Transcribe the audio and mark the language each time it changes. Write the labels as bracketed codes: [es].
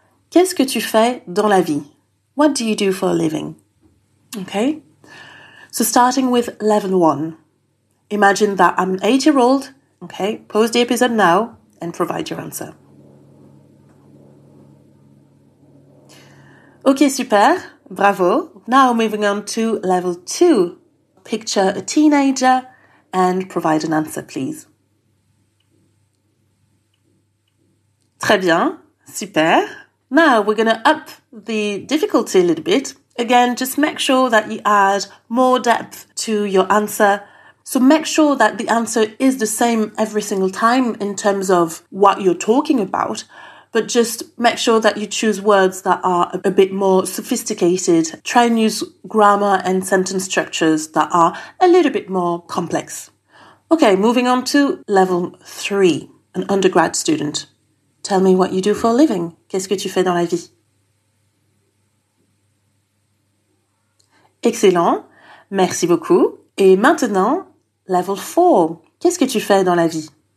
[fr] Qu'est-ce que tu fais dans la vie? [en] What do you do for a living? Okay, so starting with level one, imagine that I'm an 8-year-old. Okay, pause the episode now and provide your answer. Okay, super, bravo. Now moving on to level two. Picture a teenager and provide an answer, please. [fr] Très bien, super. [en] Now we're going to up the difficulty a little bit. Again, just make sure that you add more depth to your answer. So make sure that the answer is the same every single time in terms of what you're talking about, but just make sure that you choose words that are a bit more sophisticated. Try and use grammar and sentence structures that are a little bit more complex. Okay, moving on to level three, an undergrad student. Tell me what you do for a living. [fr] Qu'est-ce que tu fais dans la vie? Excellent. Merci beaucoup. Et maintenant, [en] level four. [fr] Qu'est-ce que tu fais dans la vie?